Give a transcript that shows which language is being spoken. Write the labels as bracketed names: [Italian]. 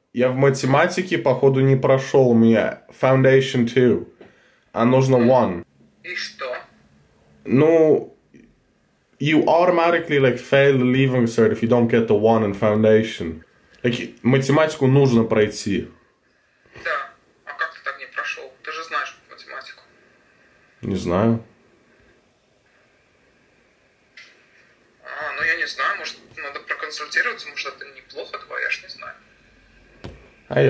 [Russian] Я в математике, походу, не прошел. У меня Foundation 2. А нужно one. И что? [English] Ну, you automatically like fail the leaving cert if you don't get the one in foundation. [Russian] Like, математику нужно пройти. Да, а как ты так не прошел? Ты же знаешь математику. Не знаю. Я не знаю, может надо проконсультироваться, может это неплохо твое, я ж не знаю.